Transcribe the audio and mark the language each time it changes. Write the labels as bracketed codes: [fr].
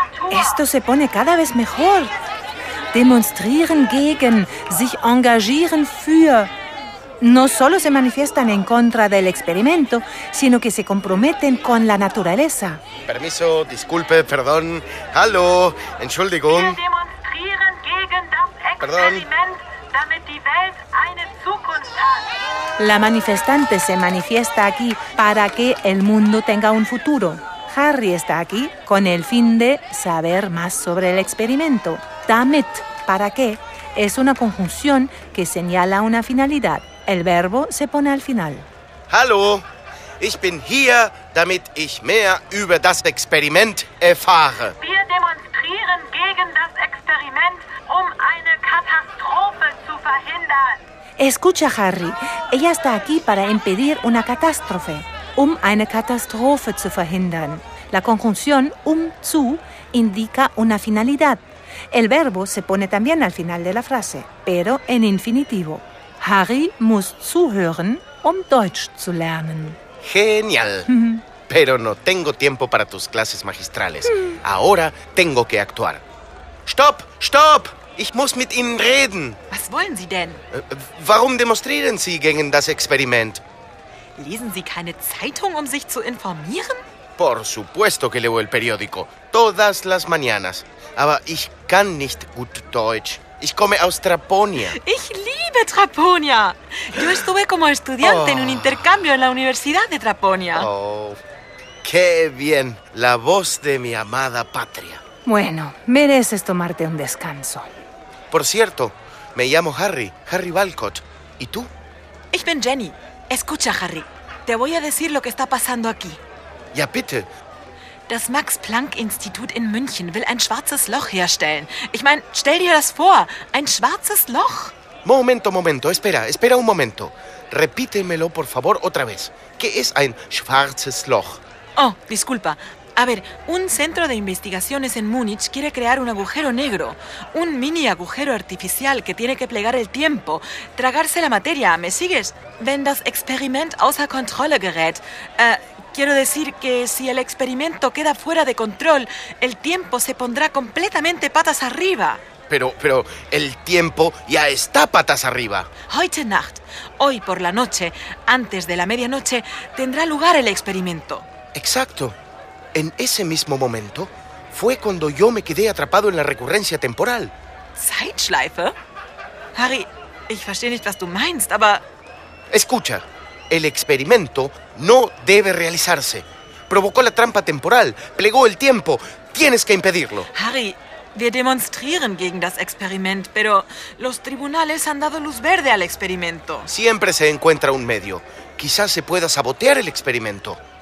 [es] Esto se pone cada vez mejor. [de] Demonstrieren gegen, sich engagieren für. [es] No solo se manifiestan en contra del experimento, sino que se comprometen con la naturaleza. Permiso, disculpe, perdón. [de] Hallo, Entschuldigung. Wir demonstrieren gegen das Experiment, damit die Welt eine Zukunft hat. [es] La manifestante se manifiesta aquí para que el mundo tenga un futuro. Harry está aquí con el fin de saber más sobre el experimento. Damit, para qué, es una conjunción que señala una finalidad. El verbo se pone al final. [de] Hallo, ich bin hier, damit ich mehr über das Experiment erfahre. Wir demonstrieren gegen das Experiment, um eine Katastrophe zu verhindern. [es] Escucha, Harry, ella está aquí para impedir una catástrofe, [de] um eine Katastrophe zu verhindern. [es] La conjunción zu indica una finalidad. El verbo se pone también al final de la frase, pero en infinitivo. [de] Harry muss zuhören, um Deutsch zu lernen. [es] Genial. Pero no tengo tiempo para tus clases magistrales. Ahora tengo que actuar. [de] Stopp, stopp! Ich muss mit Ihnen reden. Was wollen Sie denn? Warum demonstrieren Sie gegen das Experiment? Lesen Sie keine Zeitung, um sich zu informieren? [es] Por supuesto que leo el periódico. Todas las mañanas. [de] Aber ich kann nicht gut Deutsch. Ich komme aus Traponia. Ich liebe Traponia. [es] Yo estuve como estudiante en un intercambio en la Universidad de Traponia. ¡Qué bien! La voz de mi amada patria. Bueno, mereces tomarte un descanso. Por cierto, me llamo Harry Walcott. ¿Y tú? [de] Ich bin Jenny. [es] Escucha, Harry. Te voy a decir lo que está pasando aquí. [de] Ja, bitte. Das Max-Planck-Institut in München will ein schwarzes Loch herstellen. Ich meine, stell dir das vor, ein schwarzes Loch. [es] Momento, espera un momento. Repítemelo, por favor, otra vez. ¿Qué es [de] ein schwarzes Loch? [es] Oh, disculpa. A ver, un centro de investigaciones en Múnich quiere crear un agujero negro. Un mini agujero artificial que tiene que plegar el tiempo, tragarse la materia, ¿me sigues? [de] Wenn das Experiment außer Kontrolle gerät. [es] Quiero decir que si el experimento queda fuera de control, el tiempo se pondrá completamente patas arriba. Pero el tiempo ya está patas arriba. [de] Heute Nacht, [es] hoy por la noche, antes de la medianoche, tendrá lugar el experimento. Exacto. En ese mismo momento fue cuando yo me quedé atrapado en la recurrencia temporal. [de] Zeitschleife? Harry, ich verstehe nicht, was du meinst, aber... [es] Escucha, el experimento no debe realizarse. Provocó la trampa temporal, plegó el tiempo. Tienes que impedirlo. Harry, [de] wir demonstrieren gegen das Experiment, [es] pero los tribunales han dado luz verde al experimento. Siempre se encuentra un medio. Quizás se pueda sabotear el experimento.